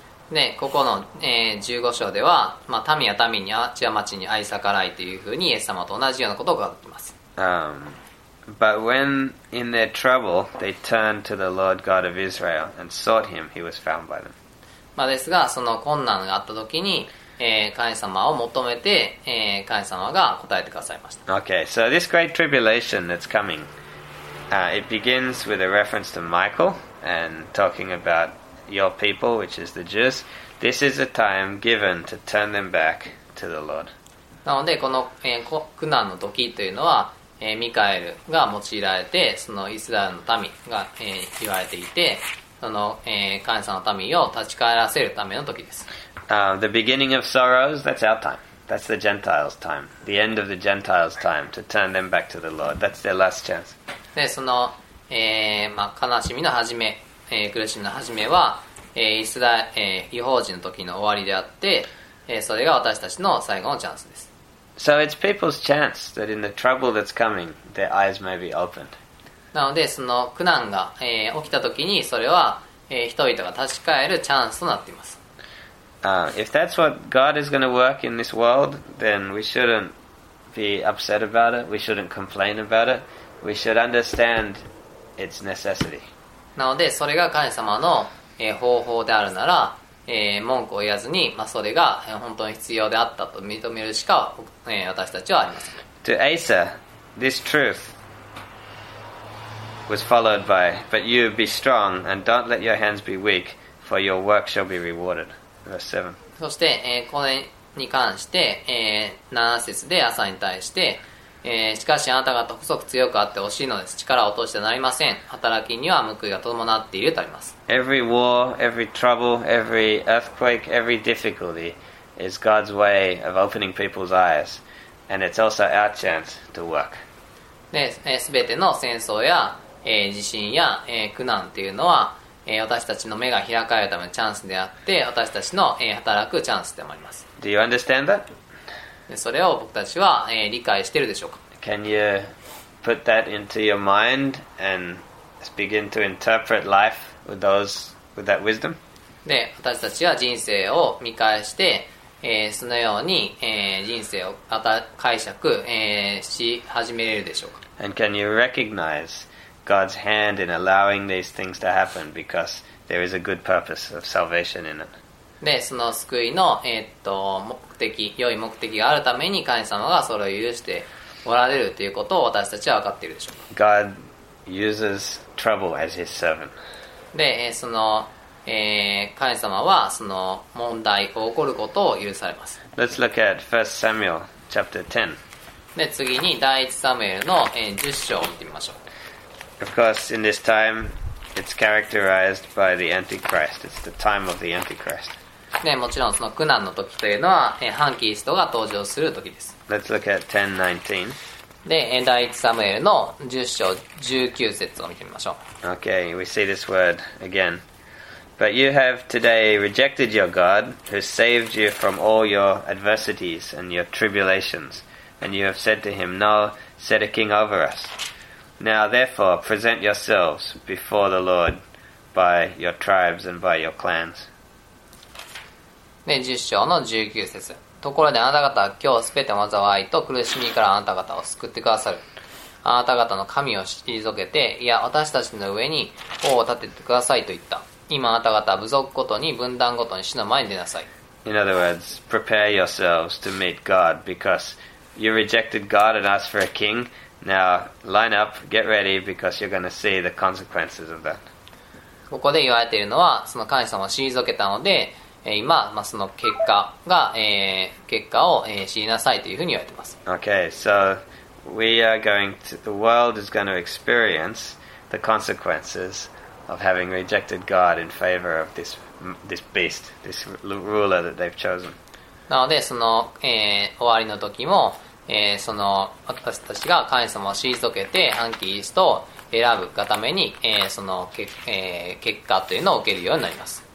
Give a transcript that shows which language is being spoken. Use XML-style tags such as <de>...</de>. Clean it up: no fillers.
<ja>ね、ここの、15章では、まあ、民や民に、町や町に愛さからいというふうにイエス様と同じようなことを書いています。</ja> <en>But when in their trouble they turned to the Lord God of Israel and sought Him, He was found by them.</en> <ja>まあですが、その困難があったときに、神様を求めて、神様が答えてくださいました。</ja> <en>Okay, so this great tribulation that's coming, it begins with a reference to Michael and talking about your people, which is the Jews. This is a time given to turn them back to the Lord.</en> <ja>なので、この、苦難の時というのは、ミカエルが用いられて、そのイスラエルの民が、言われていて、その、神様の民を立ち返らせるための時です。</ja> <en>The beginning of sorrows, that's our time. That's the Gentiles' time. The end of the Gentiles' time to turn them back to the Lord. That's their last chance.</en> <ja>で、その、まあ、悲しみの始め、苦しみの始めは、イスラエル、異邦人の時の終わりであって、それが私たちの最後のチャンスです。</ja> <en>So it's people's chance that in the trouble that's coming, their eyes may be opened.</en> <ja>なので、その苦難が、起きた時に、それは、人々が立ち返るチャンスとなっています。</ja> <en>If that's what God is going to work in this world, then we shouldn't be upset about it. We shouldn't complain about it. We should understand its necessity.</en> <ja>なので、それが神様の、方法であるなら、文句を言わずに、まあ、それが本当に必要であったと認めるしか、私たちはありません。</ja> <en>To Asa, this truth was followed by, but you be strong and don't let your hands be weak, for your work shall be rewarded.</en> <ja>そして、これに関して、7節で朝に対して、しかしあなた方細く強くあってほしいのです。力を落としてなりません。働きには報いが伴っているとあります。</ja> <en>Every war, every trouble, every earthquake, every difficulty is God's way of opening people's eyes. And it's also our chance to work.</en> <ja>すべての戦争や、地震や、苦難というのは、私たちの目が開かれるためのチャンスであって、私たちの、働くチャンスでもあります。</ja> <en>Do you understand that?</en> <ja>それを僕たちは、理解してるでしょうか。</ja> <en>Can you put that into your mind and begin to interpret life with those with that wisdom?</en> <ja>で、私たちは人生を見返して、そのように、人生をまた解釈、し始めれるでしょうか。</ja> <en>And can you recognize God's hand in allowing these things to happen because there is a good purpose of salvation in it?</en> <ja>で、その救いの、目的、良い目的があるために神様がそれを許しておられるということを私たちは分かっているでしょうか。</ja> <en>God uses trouble as his servant.</en> <ja>で、その、神様はその問題が起こることを許されます。</ja> <en>Let's look at 1 Samuel chapter 10.</en> <ja>で、次に第1サムエルの、10章を見てみましょう。</ja> <en>Of course, in this time,It's characterized by the Antichrist. It's the time of the Antichrist.</en> <ja>ね、もちろんその苦難の時というのは、反キリストが登場する時です。</ja> <en>Let's look at 10:19.</en> <ja>で、第1サムエルの10章19節を見てみましょう。</ja> <en>Okay, we see this word again. But you have today rejected your God, who saved you from all your adversities and your tribulations, and you have said to him, No, set a king over us. Now, therefore, present yourselves before the Lord by your tribes and by your clans.</en> <ja>で、10章の19節。ところであなた方は今日すべての災いと苦しみからあなた方を救ってくださる。あなた方の神を退けて、いや、私たちの上に王を立ててくださいと言った。今あなた方は部族ごとに、分断ごとに死の前に出なさい。</ja> <en>In other words, prepare yourselves to meet God because you rejected God and asked for a king. Now, line up, get ready, because you're going to see the consequences of that.</en> <ja>ここで言われているのは、その神様を退けたので、今、まあ、その結果が、結果を、知りなさいというふうに言われています。</ja> <en>Okay, so we are going to, the world is going to experience the consequences of having rejected God in favor of this beast, this ruler that they've chosen.</en> <ja>なので、その、終わりの時も、その私たちが神様を退けて反キリストを選ぶがために、その、結果というのを受けるようになります。</ja>